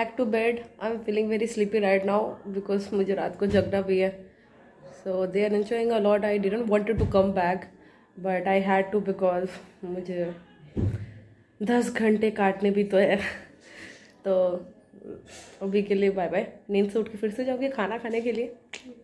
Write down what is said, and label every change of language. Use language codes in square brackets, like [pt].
[en] feeling very sleepy right now because [hi] मुझे रात को जगना भी है. [en] So they are enjoying a lot. I didn't wanted to come back, but I had to because [hi] मुझे 10 घंटे काटने भी तो है. तो अभी के लिए bye bye. नींद से उठ के फिर से जाऊँगी खाना खाने के लिए.